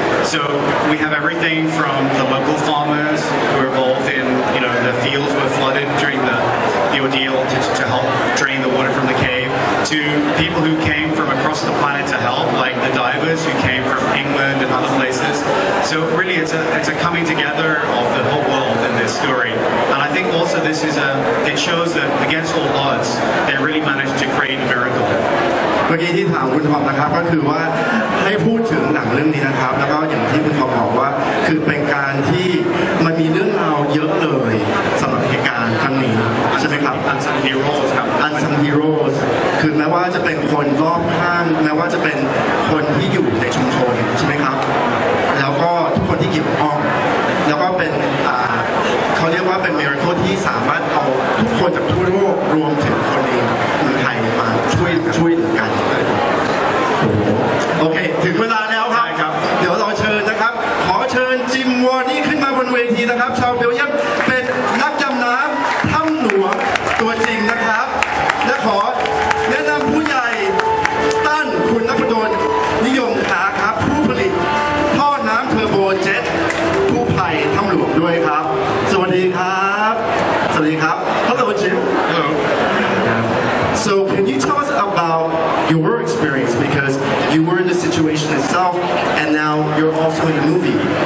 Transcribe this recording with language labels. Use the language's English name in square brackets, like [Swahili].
[English] So we have everything from the local farmers who are involved in, you know, the fields were flooded during the ordeal to help drain the water from the cave, to people who came from across the planet to help, like the divers who came from England and other places. So really, it's a coming together of the whole world in this story. And I think also this is it shows that against all odds, they really managed to create a miracle. [Thai] เมื่อกี้ที่ถามคุณทอมนะครับก็คือว่าให้พูดถึงหนังเรื่องนี้นะครับแล้วก็อย่างที่คุณทอมบอกว่าคือเป็นการที่มันมีเรื่องราวเยอะเลยสำหรับเหตุการณ์ครั้งนี้ใช่ไหมครับ [English] Unsung Heroes ครับ [Thai] Unsung Heroes คือแม้ว่าจะเป็นคนรอบข้างแม้ว่าจะเป็นคนที่อยู่ในชุมชนใช่ไหมครับแล้วก็ทุกคนที่เกี่ยวข้องแล้วก็เป็นเขาเรียกว่าเป็นมิราเคิลที่สามารถเอาทุกคนจากทั่วโลกรวมถึงคนเองคนไทยมาช่วยกันโอเคถึงเวลาแล้วครับ ครับ เดี๋ยวเราเชิญนะครับขอเชิญจิมวอร์นี่ขึ้นมาบนเวทีนะครับชาวเบลเยียมเป็นนักดำน้ำถ้ำหลวงตัวจริงนะครับและขอแนะนำผู้ใหญ่ตั้นคุณนพดลนิยมขาครับผู้ผลิตท่อน้ำเทอร์โบเจ็ตผู้ภัยถ้ำหลวงด้วยครับสวัสดีครับสวัสดีครับ [English] Hello Jim [Thai] Hello [English] So can you tell us about your experience becauseYou were in the situation itself, and now you're also in a movie.